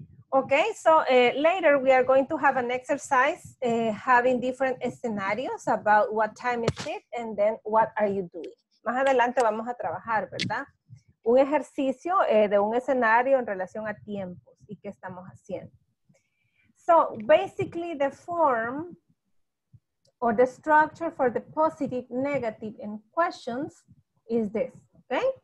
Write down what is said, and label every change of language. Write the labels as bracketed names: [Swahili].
[English] Okay, so later we are going to have an exercise having different scenarios about what time is it and then what are you doing. [Spanish] Más adelante vamos a trabajar, ¿verdad? Un ejercicio de un escenario en relación a tiempos y qué estamos haciendo. [English] So basically the form or the structure for the positive, negative, and questions is this, okay?